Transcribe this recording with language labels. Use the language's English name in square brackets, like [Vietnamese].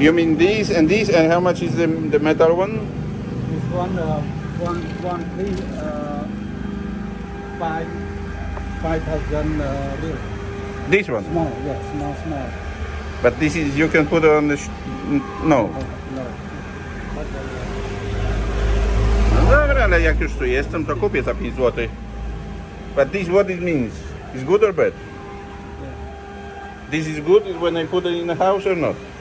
[English] You mean these and these, and how much is the metal one? This one piece, 5,000 lira. This one? Small. But this is, you can put it on the... No. No. [Polish] Dobra, ale jak już tu jestem, to kupię za 5 zł. [English] But this, what it means? Is good or bad? This is good, is when I put it in the house or not?